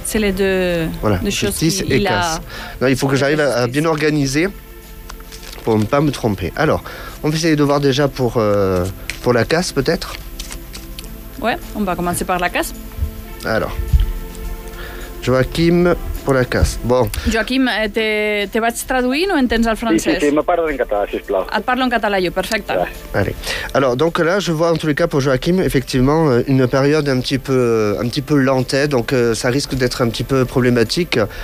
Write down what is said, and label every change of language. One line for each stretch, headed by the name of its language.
French: C'est les deux. Voilà, deux justice et CAS. Non, il faut que j'arrive à bien organiser pour ne pas me tromper. Alors, on va essayer de voir déjà pour la CAS, peut-être. Ouais, on va commencer par la CAS. Alors. Joaquim, pour la CAS. Bon.
Catalan: Joaquim, te vaig traduint o entens el francès? Sí, me parlo en català, sisplau. Et parlo en català, jo, perfecte.
French: Allez. Alors, donc là, je vois en tous les cas pour Joaquim, effectivement, une période un petit peu lente, donc ça risque d'être un petit peu problématique.